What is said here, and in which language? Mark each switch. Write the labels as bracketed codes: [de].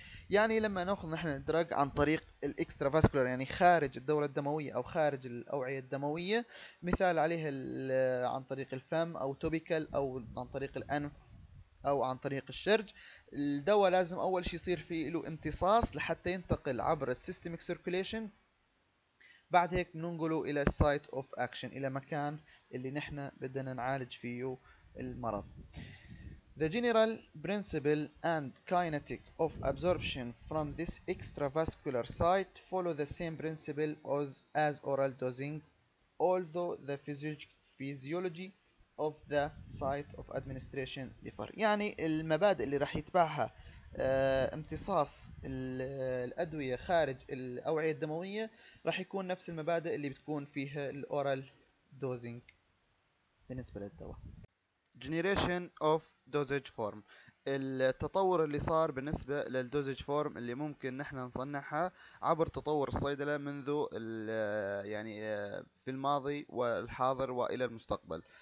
[ar] يعني لما ناخذ نحن الدرج عن طريق الاكسترافاسكولار يعني خارج الدورة الدموية او خارج الاوعية الدموية مثال عليها عن طريق الفم او توبيكال او عن طريق الانف او عن طريق الشرج، الدواء لازم اول شيء يصير فيه له امتصاص لحتى ينتقل عبر السيستميك سيركوليشن، بعد هيك بننقله الى السايت اوف اكشن الى مكان اللي نحن بدنا نعالج فيه المرض. [en] The general principle and kinetic of absorption from this extravascular site follow the same principle as oral dosing, although the physiology of the site of administration differ. [ar] يعني المبادئ اللي راح يتبعها امتصاص الأدوية خارج الأوعية الدموية راح يكون نفس المبادئ اللي بتكون فيها الأورال دوزينج بالنسبة للدواء. [en] Generation of dosage form، [ar] التطور اللي صار بالنسبة للدوزج فورم اللي ممكن نحنا نصنعها عبر تطور الصيدلة منذ يعني في الماضي والحاضر وإلى المستقبل.